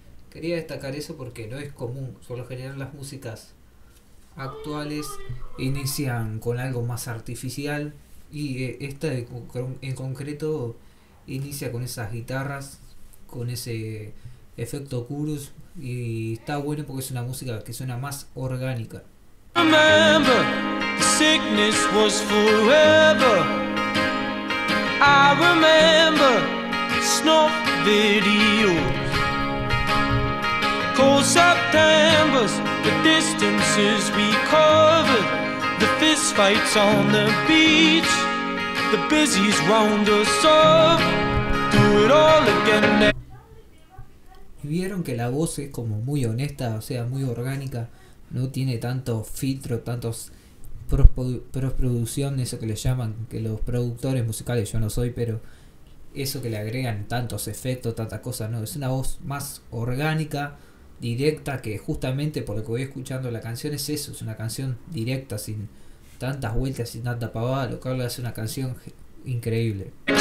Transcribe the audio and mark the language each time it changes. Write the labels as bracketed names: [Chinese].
[Spanish] Quería destacar eso porque no es común, por lo general las músicas actuales inician con algo más artificial y esta en concreto inicia con esas guitarras, con ese efecto chorus y está bueno porque es una música que suena más orgánica. [English] Remember, the sickness was forever. I remember snuff videos, cold Septembers, the distances we covered, the fist fights on the beach, the busies round us up. Do it all again. [Spanish] Vieron que la voz es como muy honesta, o sea, muy orgánica, no tiene tanto filtro, tantos postproducción, eso que le llaman, que los productores musicales, yo no soy, pero eso que le agregan tantos efectos, tantas cosas, no, es una voz más orgánica, directa, que justamente por lo que voy escuchando la canción es eso, es una canción directa, sin tantas vueltas, sin tanta pavada, lo cual hace una canción increíble.